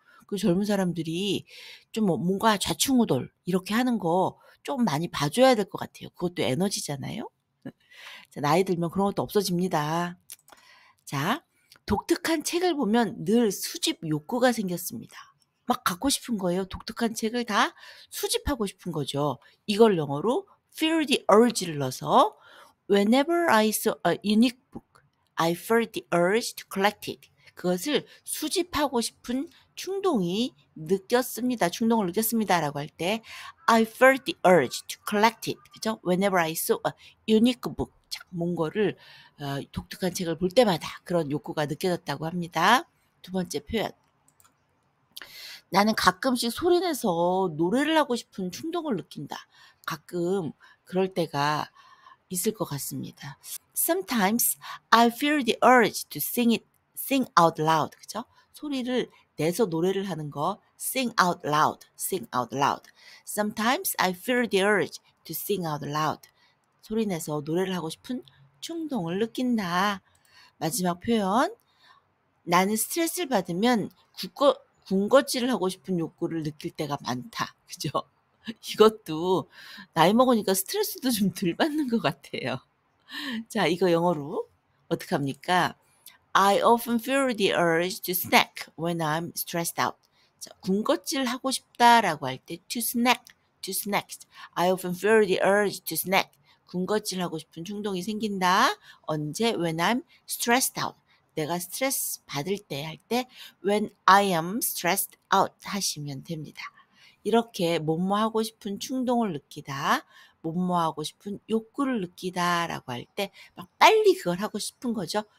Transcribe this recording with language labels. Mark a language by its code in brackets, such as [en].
[ko] 그 젊은 사람들이 좀 뭔가 좌충우돌 이렇게 하는 거좀 많이 봐줘야 될것 같아요. 그것도 에너지잖아요. 나이 들면 그런 것도 없어집니다. 자, 독특한 책을 보면 늘 수집 욕구가 생겼습니다. 막 갖고 싶은 거예요. 독특한 책을 다 수집하고 싶은 거죠. 이걸 영어로 [en] feel the urge를 [ko] 넣어서 [en] whenever I saw a unique book, I felt the urge to collect it. [ko] 그것을 수집하고 싶은 충동이 느꼈습니다. 충동을 느꼈습니다라고 할 때, [en] I felt the urge to collect it. [ko] 그죠? [en] Whenever I saw a unique book. [ko] 뭔가를, 독특한 책을 볼 때마다 그런 욕구가 느껴졌다고 합니다. 두 번째 표현. 나는 가끔씩 소리 내서 노래를 하고 싶은 충동을 느낀다. 가끔 그럴 때가 있을 것 같습니다. [en] Sometimes I feel the urge to sing it, sing out loud. [ko] 그죠? 소리를 내서 노래를 하는 거, [en] sing out loud, sing out loud. Sometimes I feel the urge to sing out loud. [ko] 소리 내서 노래를 하고 싶은 충동을 느낀다. 마지막 표현. 나는 스트레스를 받으면 군것질을 하고 싶은 욕구를 느낄 때가 많다. 그죠? 이것도 나이 먹으니까 스트레스도 좀덜 받는 것 같아요. 자, 이거 영어로 어떻게 합니까? [en] I often feel the urge to snack when I'm stressed out. [ko] 자, 군것질 하고 싶다라고 할 때, [en] to snack, to snack. I often feel the urge to snack. [ko] 군것질 하고 싶은 충동이 생긴다. 언제? [en] When I'm stressed out. [ko] 내가 스트레스 받을 때할 때, [en] when I am stressed out [ko] 하시면 됩니다. 이렇게, 뭐뭐 하고 싶은 충동을 느끼다. 뭐뭐 하고 싶은 욕구를 느끼다라고 할 때, 막 빨리 그걸 하고 싶은 거죠.